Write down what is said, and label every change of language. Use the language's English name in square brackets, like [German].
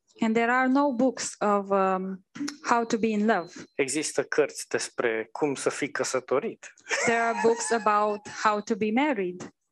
[English] And there are no books of how to be in love. [Romanian] Există cărți despre cum să fii căsătorit. [English] There are books about how to be married.